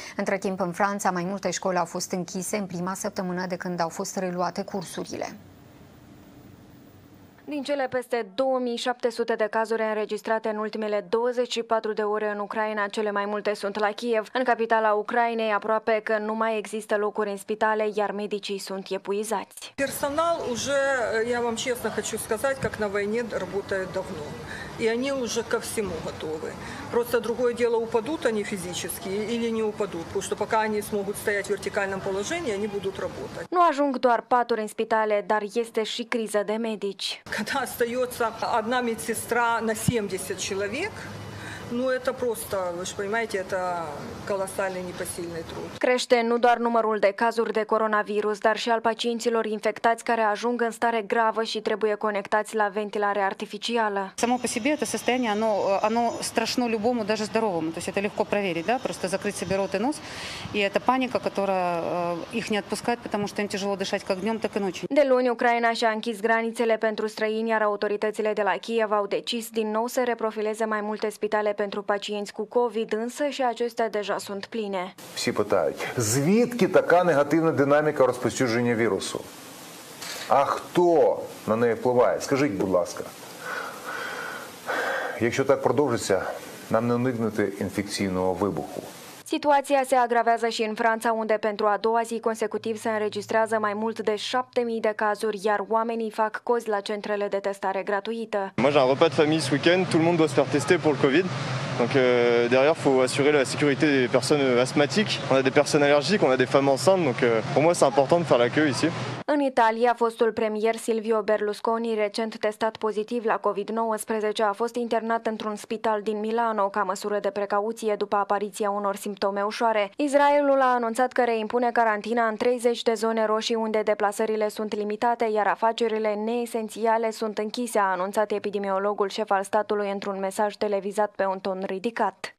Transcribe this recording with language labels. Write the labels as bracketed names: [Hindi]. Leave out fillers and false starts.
[Romanian] Între timp, în Franța, mai multe școli au fost închise în prima săptămână de când au fost reluate cursurile. Din cele peste 2700 de cazuri înregistrate în ultimele 24 de ore în Ucraina, cele mai multe sunt la Kiev. În capitala Ucrainei, aproape că nu mai există locuri în spitale, iar medicii sunt epuizați. [Russian] Personal, уже я вам честно хочу сказать, как на войне работает давно. и они уже ко всему готовы. Просто другое дело, упадут они физически или не упадут, потому что пока они смогут стоять в вертикальном положении, они будут работать. [Romanian] Nu ajung doar paturi în spitale, dar este și criza de medici. [Russian] Когда остается одна медсестра на 70 человек, ну это просто, вы же понимаете, это колоссальный непосильный труд. [Romanian] Crește nu doar numărul de cazuri de coronavirus, dar și al pacienților infectați care ajung în stare gravă și trebuie conectați la ventilare artificială. [Russian] Само по себе это состояние, оно страшно любому, даже здоровому. То есть это легко проверить, да, просто закрыть себе рот и нос. И это паника, которая их не отпускает, потому что им тяжело дышать как днем, так и ночью. [Romanian] De luni, Ucraina și-a închis granițele pentru străini, iar autoritățile de la Kiev au decis din nou să reprofileze mai multe spitale pentru pacienți cu COVID, însă și acestea deja sunt pline. [Ukrainian] Всі питають, звідки така негативна динаміка розповсюдження вірусу? А хто на неї впливає? Скажіть, будь ласка. Якщо так продовжиться, нам не уникнути інфекційного вибуху. [Romanian] Situația se agravează și în Franța, unde pentru a doua zi consecutiv se înregistrează mai mult de 7000 de cazuri, iar oamenii fac cozi la centrele de testare gratuită. [French] Moi j'ai un repas de famille ce weekend, tout le monde doit se faire tester pour le Covid. Donc derrière faut assurer la sécurité des personnes asthmatiques, on a des personnes allergiques, on a des femmes enceintes, donc pour moi c'est important de faire la queue ici. [Romanian] În Italia, fostul premier Silvio Berlusconi, recent testat pozitiv la COVID-19, a fost internat într-un spital din Milano ca măsură de precauție după apariția unor simptome ușoare. Israelul a anunțat că reimpune carantina în 30 de zone roșii unde deplasările sunt limitate, iar afacerile neesențiale sunt închise, a anunțat epidemiologul șef al statului într-un mesaj televizat pe un ton ridicat.